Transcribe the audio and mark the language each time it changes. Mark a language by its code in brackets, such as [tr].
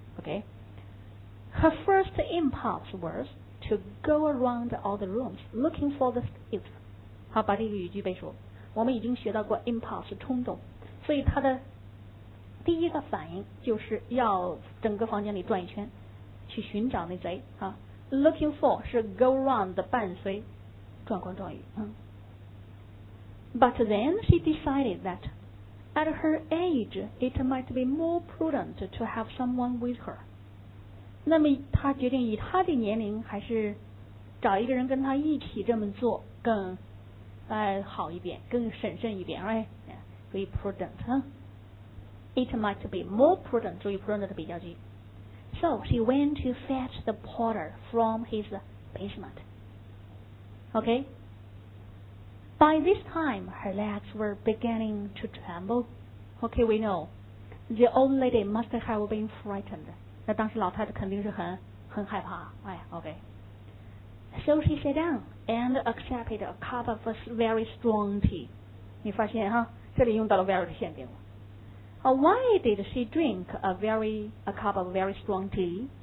[en] OK, her first impulse was to go around all the rooms looking for the thief. [zh] 好，把这个语句背熟。我们已经学到过 impulse 冲动，所以她的第一个反应就是要整个房间里转一圈，去寻找那贼。啊 ，looking for 是 go around 的伴随，转光转语。 [en] But then she decided that. At her age, it might be more prudent to have someone with her. [zh] 那么她决定以她的年龄还是找一个人跟她一起这么做更好一点，更审慎一点 ，right? [en] Be prudent, huh? It might be more prudent. [zh] 注意 [en] prudent [zh] 的比较级。 [en] So she went to fetch the porter from his basement. Okay. By this time, her legs were beginning to tremble. Okay, we know. The old lady must have been frightened. [zh] 那当时老太太肯定是很害怕。 [en] 哎 ,okay. So she sat down and accepted a cup of very strong tea. [zh] 你发现哈，这里用到了 [en] very [zh] 的限定。 [en] Why did she drink a cup of very strong tea?